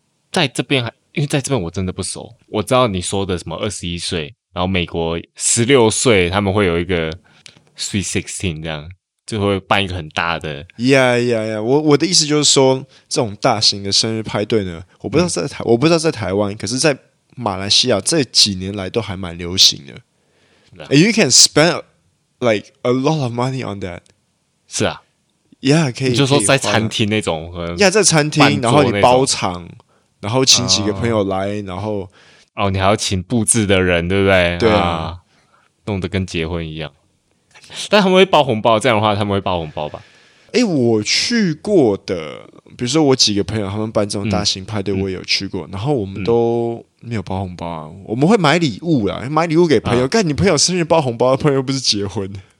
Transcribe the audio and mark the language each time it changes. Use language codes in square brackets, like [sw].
[zh] 在这边还，因为在这边我真的不熟，我知道你说的什么21岁，然后美国16岁他们会有一个 sweet 16这样就会办一个很大的，Yeah Yeah Yeah， 我的意思就是说，这种大型的生日派对呢，我不知道在台、嗯、我不知道在台湾，可是在马来西亚这几年来都还蛮流行的。 [en] Yeah. You can spend like a lot of money on that。 [zh] 是啊，Yeah， 可以。你就说在餐厅那种，Yeah， 在餐厅，然后你包场，然后请几个朋友来，然后哦，你还要请布置的人，对不对？对啊，弄得跟结婚一样。但他们会包红包，这样的话他们会包红包吧？欸，我去过的，比如说我几个朋友他们办这种大型派对，我也有去过、嗯、然后我们都没有包红包、啊、我们会买礼物啦，买礼物给朋友，干、啊、你朋友生日包红包，朋友不是结婚